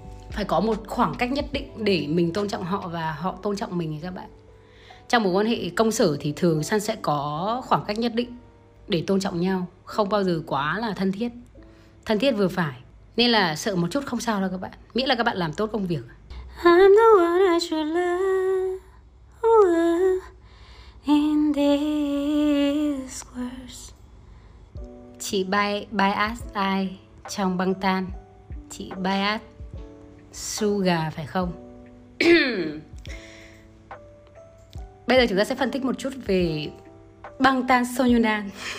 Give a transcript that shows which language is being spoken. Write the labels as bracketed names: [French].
[Vietnamese] Phải có một khoảng cách nhất định để mình tôn trọng họ và họ tôn trọng mình ấy các bạn. Trong một quan hệ công sở thì thường Sun sẽ có khoảng cách nhất định để tôn trọng nhau, không bao giờ quá là thân thiết. Thân thiết vừa phải. Nên là sợ một chút không sao đâu các bạn, miễn là các bạn làm tốt công việc. [English] I'm the one I should love in this world. [Vietnamese] Chị bias ai trong băng tan? Chị bias Suga phải không? Bây giờ chúng ta sẽ phân tích một chút về băng tan Sonyeondan.